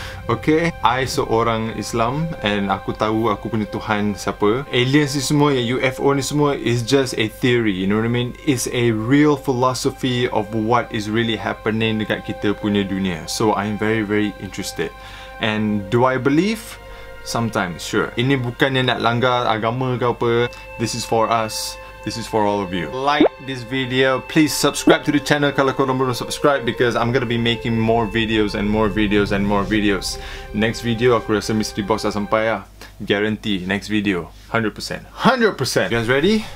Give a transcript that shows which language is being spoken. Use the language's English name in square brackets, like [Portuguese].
[Malay] Okay, I seorang Islam and aku tahu aku punya Tuhan siapa. Aliens ni semua, UFO ni semua [English] is just a theory, you know what I mean? It's a real philosophy of what is really happening [Malay] dekat kita punya dunia. [English] So, I'm very very interested. And do I believe? Sometimes, sure. [Malay] Ini bukannya nak langgar agama ke apa. [English] This is for us. This is for all of you. Like this video. Please subscribe to the channel [Malay] kalau korang belum subscribe, [English] because I'm gonna be making more videos and more videos and more videos. Next video [Malay] aku rasa mystery box dah sampai lah. [English] Guarantee next video 100%. 100%. You guys ready?